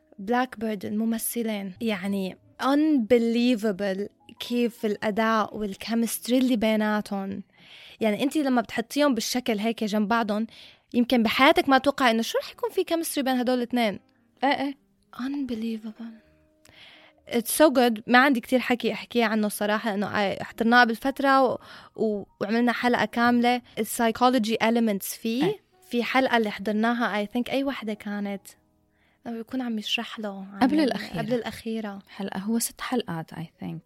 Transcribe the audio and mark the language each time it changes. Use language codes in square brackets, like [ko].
[ar] Blackbird الممثلين يعني unbelievable كيف الأداء والكيمستري اللي بيناتهم. يعني أنت لما بتحطيهم بالشكل هيك جنب بعضهم يمكن بحياتك ما توقع إنه شو رح يكون في كيمستري بين هدول الاثنين. إيه [en] unbelievable it's so good. [ar] ما عندي كتير حكي أحكيه عنه صراحة إنه احترناه بالفترة وعملنا حلقة كاملة [en] psychology elements [ar] فيه. في حلقة اللي حضرناها [en] I think [ar] أي واحدة كانت لما بيكون عم يشرح له قبل الأخيرة حلقة هو 6 حلقات I think